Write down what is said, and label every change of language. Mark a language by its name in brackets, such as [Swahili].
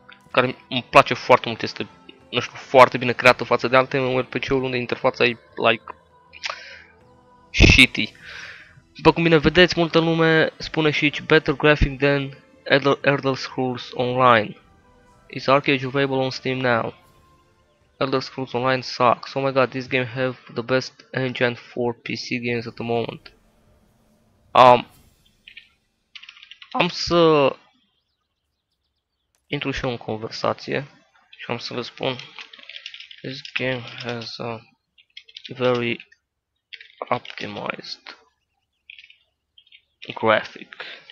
[Romanian] Care îmi place foarte mult, este, nu știu, foarte bine creată față de alte RPG-uri unde interfața e, like, shitty. După cum bine vedeți, multă lume spune și aici, [English] better graphic than Elder Scrolls Online. Is Arcade available on Steam now? Elder Scrolls Online sucks. Oh my god, this game have the best engine for PC games at the moment. [Romanian] Am să intru și eu în conversație și am să vă spun, [English] this game has a very optimized graphic.